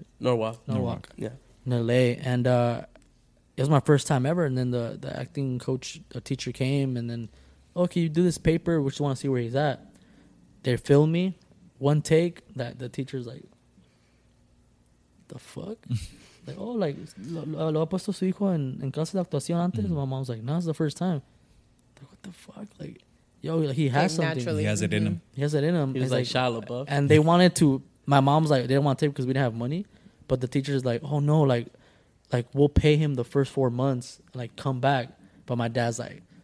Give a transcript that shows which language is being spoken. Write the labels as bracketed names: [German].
[English] Norwalk. Yeah. In LA. And it was my first time ever. And then the acting coach, the teacher came, and then, okay, you do this paper, we just want to see where he's at. They film me, one take, that the teacher's like, the fuck? Like, oh, like, [Spanish] lo ha puesto su hijo en clase de actuación antes? [English] Mm-hmm. My mom's like, no, it's the first time. Like, what the fuck? Like, yo, he has something. Naturally. He has it in him. He was like, Shia LaBeouf. And they wanted to, my mom's like, they didn't want to take because we didn't have money. But the teacher's like, oh no, like, we'll pay him the first 4 months, like, come back. But my dad's like,